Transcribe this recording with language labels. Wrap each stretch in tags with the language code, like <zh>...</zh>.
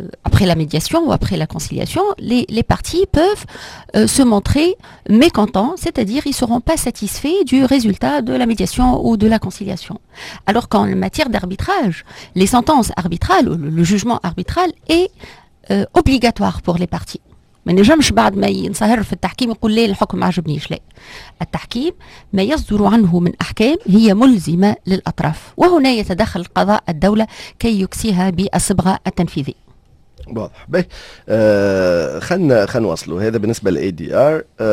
<fr>après la médiation ou après la conciliation, les parties peuvent se montrer mécontents, c'est-à-dire ils ne seront pas satisfaits du résultat de la médiation ou de la conciliation. Alors qu'en matière d'arbitrage, les sentences arbitrales, le jugement arbitral est obligatoire pour les parties.</fr> <ar>ما نجمش بعد ما ينصهر في التحكيم يقول لي الحكم ما عجبنيش. لا، التحكيم ما يصدر عنه من أحكام هي ملزمة للأطراف، وهنا يتدخل قضاء الدولة كي يكسيها بالصبغة التنفيذية. واضح. باهي، خلنا نوصلوا هذا بالنسبة للاي دي ار.</ar>